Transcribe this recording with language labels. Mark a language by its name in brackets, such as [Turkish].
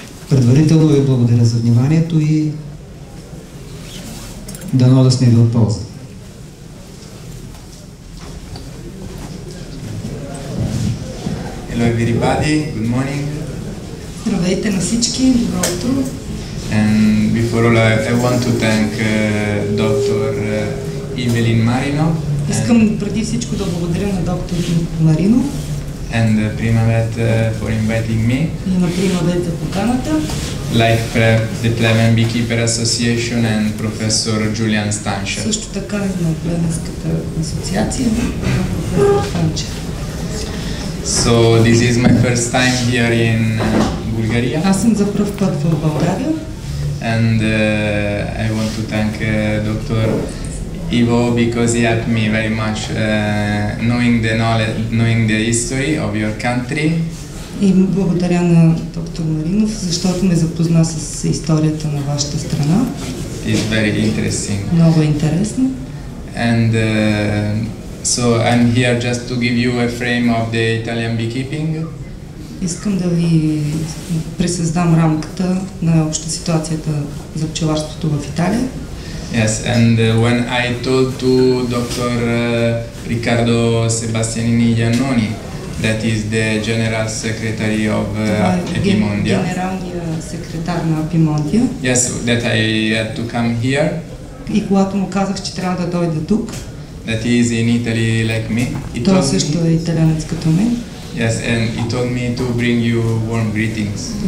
[Bulgarian] Предварително ви благодаря за вниманието и дано да сме ви от полза. [English] Hello everybody, good morning. [Bulgarian] Здравейте на всички, добро утро. [English] And before all I want to thank Dr. [Bulgarian] Ивелин Марино. Искам преди всичко да благодаря на доктор Маринов. [English] And Primavet for inviting me. [Bulgarian] И на Primavet за поканата. [English] Like the Plemen Beekeeper Association and Professor Julian Stancher. [Bulgarian] Също така и на Племенската асоциация на професор Станчер. [English] So this is my first time here in Bulgaria. [Bulgarian] Аз съм за пръв път в България. [English] And I want to thank Dr. Ivo, because he helped me very much knowing the history of your country. [Bulgarian] И благодаря на доктор Маринов, защото ме запозна с историята на вашата страна. [English] It's very interesting. [Bulgarian] Много интересно. [English] And so I'm here just to give you a frame of the Italian beekeeping. [Bulgarian] Искам да ви пресъздам рамката на общата ситуацията за пчеларството в Италия. [English] Yes, and when I told to Dr. Riccardo Sebastianini Giannoni that is the General Secretary of Epimondia. [Bulgarian] Генералния секретар на Epimondia. [English] Yes, that I had to come here. [Bulgarian] И когато му казах, че трябва да дойда тук. [English] That he is in Italy like me. [Bulgarian] Той също е италианец като мен. [English] Yes, and he told me to bring you warm greetings.